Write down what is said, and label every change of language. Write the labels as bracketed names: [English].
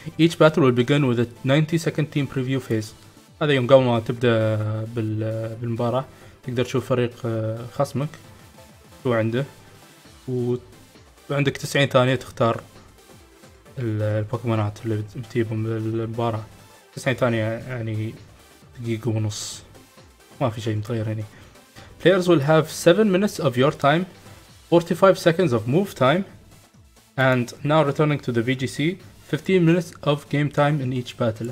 [English] Each battle will begin with a 90-second team preview phase. [Arabic] هذا يوم قبل ما تبدأ بالمباراة تقدر تشوف فريق خصمك شو عنده وعندك 90 ثانية تختار البوكيمونات اللي بتجيبهم بالمباراة. 90 ثانية يعني دقيقة ونص، ما في شيء متغير يعني. [English] Players will have 7 minutes of your time, 45 seconds of move time, and now returning to the VGC, 15 minutes of game time in each battle.